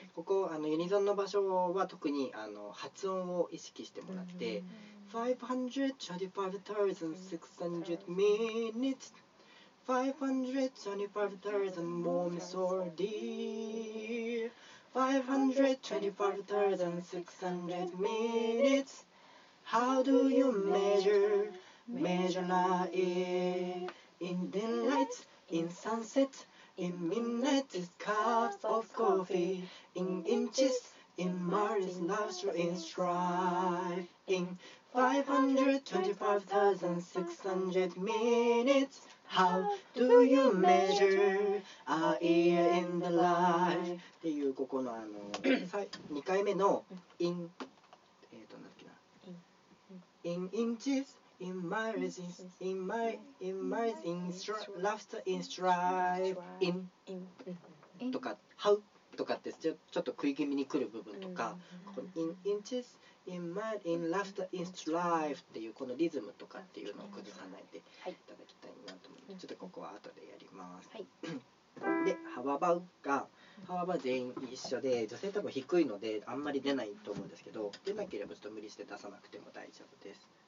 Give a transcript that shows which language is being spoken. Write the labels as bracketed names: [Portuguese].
[Japanese] ここあのユニゾンの場所は特にあの発音を意識してもらって、 [English] 525,600 minutes、525,600 minutes. How do you measure? Measure night in daylight, in sunset, in midnight, in cups of coffee, in inches, in miles, in laughter, in strife, in 525,600 minutes. How do you measure a year in the life? [Japanese] っていうここのあの2回目の in なんだっけな [English] in inches in miles in my in miles in laughter in strife in [Japanese] とかハウとかってちょっと食い気味に来る部分とか、うん、この [English] in inches in mind in laughter in strife [Japanese] っていうこのリズムとかっていうのを崩さないでいただきたいなと思って、ちょっとここは後でやります、はい、でハワバウがハワバ全員一緒で女性多分低いのであんまり出ないと思うんですけど、出なければちょっと無理して出さなくても大丈夫です。